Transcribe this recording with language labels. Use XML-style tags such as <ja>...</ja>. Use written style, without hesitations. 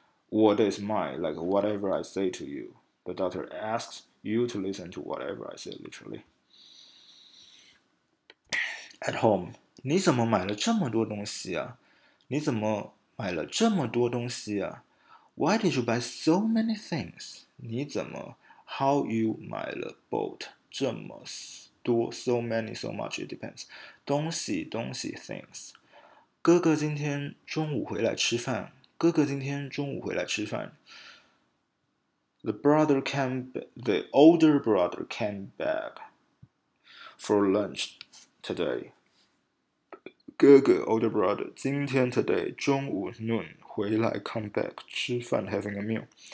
<en>我的 is my, like whatever I say to you. The doctor asks you to listen to whatever I say, literally. At home.</en> <zh>你怎么买了这么多东西啊？你怎么买了这么多东西啊？</zh> <en>Why did you buy so many things?</en> <zh>你怎么</zh> <en>How you 买了 boat</en> <zh>这么多</zh> <en>So many, so much, it depends.</en> <zh>东西东西</zh> <en>things.</en> <zh>哥哥今天中午回来吃饭。哥哥今天中午回来吃饭。</zh> <en>The brother came, the older brother came back for lunch today. 哥哥 older brother, 今天 today, 中午 noon, 回来 come back, 吃饭 having a meal.</en>